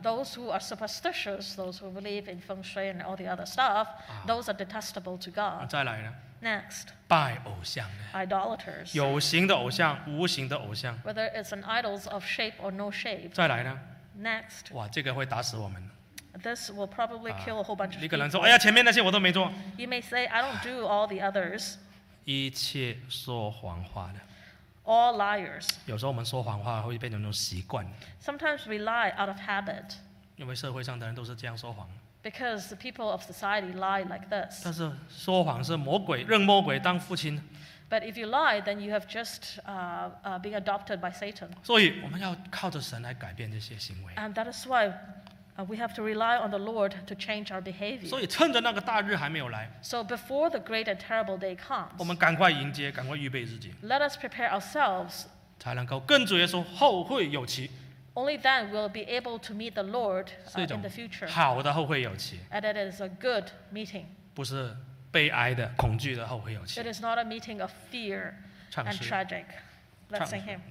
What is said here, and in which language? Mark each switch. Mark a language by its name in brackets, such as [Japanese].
[English] Those who are superstitious, those who believe in feng shui and all the other stuff, those are detestable to God. [Chinese] 再来呢? [English] Next, [Chinese] 拜偶像的, [English] idolaters. [Chinese] 有形的偶像, 无形的偶像。 [English] Whether it's an idol of shape or no shape. [Chinese] 再来呢? [English] Next, [Chinese] 哇, 这个会打死我们, [English] this will probably kill a whole bunch of people. [Chinese] 你可能说, 哎呀, 前面那些我都没做。 [English] You may say, I don't do all the others. [Chinese] 一切说谎话的, [English] all liars. [Chinese] 有时候我们说谎话会变成那种习惯。 [English] Sometimes we lie out of habit. [Chinese] 因为社会上的人都是这样说谎。 [English] Because the people of society lie like this. [Chinese] 但是说谎是魔鬼, 认魔鬼当父亲。 [English] But if you lie, then you have just been adopted by Satan. [Chinese] 所以我们要靠着神来改变这些行为。 [English] And that is why we have to rely on the Lord to change our behavior. [Chinese] 所以趁着那个大日还没有来, [English] so before the great and terrible day comes, [Chinese] 我们赶快迎接, 赶快预备自己。 [English] Let us prepare ourselves. [Chinese] 才能够跟主耶稣后会有期。 [English] Only then we'll be able to meet the Lord in the future. [Chinese] 好的后会有期。 [English] And it is a good meeting. [Chinese] 不是。悲哀的, 恐惧的后悔有期。 [English] It is not a meeting of fear and tragic. Let's sing him.